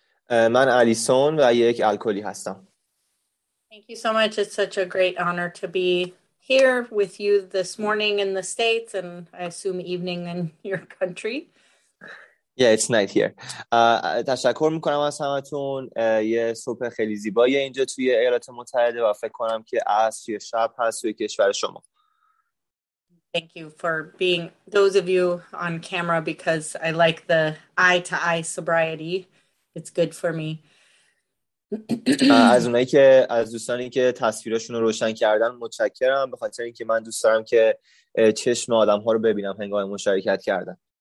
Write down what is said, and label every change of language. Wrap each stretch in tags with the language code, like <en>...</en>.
<fa>من آلیسون و یک الکلی هستم.</fa> <en>Thank you so much. It's such a great honor to be here with you this morning in the States and I assume evening in your country. Yeah, it's night here.</en> <fa>تشکر میکنم از همتون. یه صبح خیلی زیبایی اینجا توی ایالات متحده و فکر کنم که عصر یا شب هست توی کشور شما.</fa> <en>Thank you for being those of you on camera because I like the eye-to-eye sobriety. It's good for me.</en> <fa>از اونایی که از دوستانی که تصویرشون رو روشن کردن متشکرم به خاطر اینکه من دوست دارم که چشم آدم ها رو ببینم هنگام مشارکت کردن.</fa>